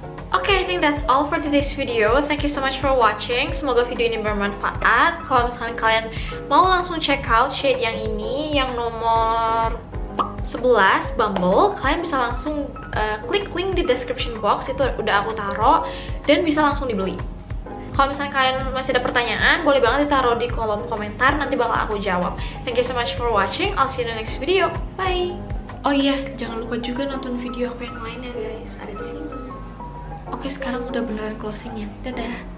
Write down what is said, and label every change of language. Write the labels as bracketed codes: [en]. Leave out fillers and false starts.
[en] Okay, I think that's all for today's video. Thank you so much for watching. [id] Semoga video ini bermanfaat. Kalau misalkan kalian mau langsung check out shade yang ini, yang nomor 11, Bumble, kalian bisa langsung klik link di description box. Itu udah aku taro dan bisa langsung dibeli. Kalau misalkan kalian masih ada pertanyaan, boleh banget ditaro di kolom komentar, nanti bakal aku jawab. [en] Thank you so much for watching. I'll see you in the next video. Bye. [id] Oh iya, jangan lupa juga nonton video aku yang lainnya, guys. Ada di sini. Oke, sekarang udah beneran closing ya. Dadah.